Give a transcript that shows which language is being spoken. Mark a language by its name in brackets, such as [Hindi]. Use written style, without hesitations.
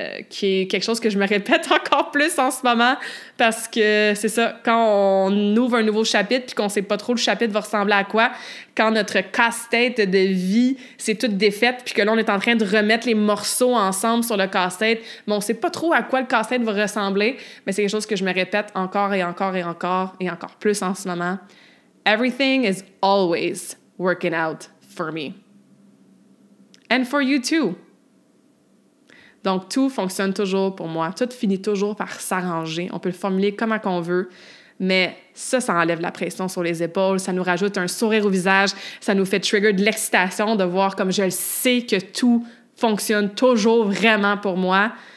[French] Qui est quelque chose que je me répète encore plus en ce moment parce que c'est ça, quand on ouvre un nouveau chapitre puis qu'on sait pas trop le chapitre va ressembler à quoi, quand notre casse-tête de vie c'est toute défaite puis que là on est en train de remettre les morceaux ensemble sur le casse-tête, mais on sait pas trop à quoi le casse-tête va ressembler, mais c'est quelque chose que je me répète encore et encore et encore et encore plus en ce moment. [English] Everything is always working out for me. And for you too. [French] Donc, tout fonctionne toujours pour moi. Tout finit toujours par s'arranger. On peut le formuler comme on veut, mais ça enlève la pression sur les épaules. Ça nous rajoute un sourire au visage. Ça nous fait trigger de l'excitation de voir comme je le sais que tout fonctionne toujours vraiment pour moi.